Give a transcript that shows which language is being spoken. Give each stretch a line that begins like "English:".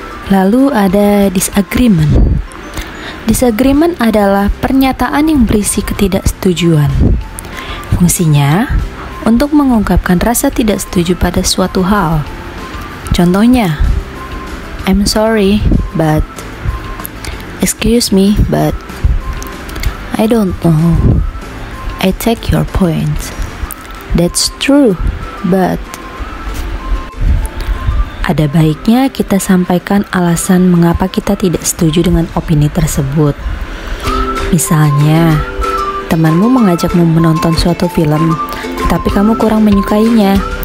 Indonesian: Lalu ada disagreement. Disagreement adalah pernyataan yang berisi ketidaksetujuan. Fungsinya, untuk mengungkapkan rasa tidak setuju pada suatu hal. Contohnya,
English: I'm sorry, but excuse me, but I don't know. I take your point. That's true, but
Indonesian: ada baiknya kita sampaikan alasan mengapa kita tidak setuju dengan opini tersebut. Misalnya, temanmu mengajakmu menonton suatu film, tapi kamu kurang menyukainya.